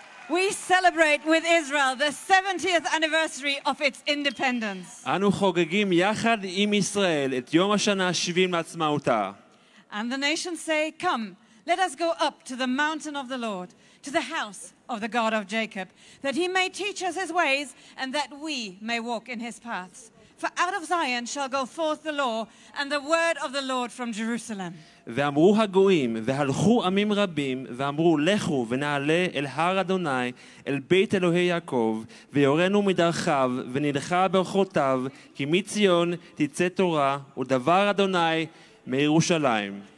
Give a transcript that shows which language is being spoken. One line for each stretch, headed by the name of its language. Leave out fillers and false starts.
English: With Israel, the 70th anniversary of its independence.
Hebrew: אנו חוגגים יחד עם ישראל את יום השנה 70 לעצמאותה.
English: And the nations say, "Come, let us go up to the mountain of the Lord, to the house of the God of Jacob, that he may teach us his ways and that we may walk in his paths. For out of Zion shall go forth the law and the word of the Lord from Jerusalem."
Hebrew: ואמרו הגויים והלכו עמים רבים ואמרו לכו ונעלה אל הר אדוני אל בית אלוהי יעקב ויורנו מדרכיו ונלכה ברכותיו כי מציון תצא תורה ודבר אדוני מירושלים.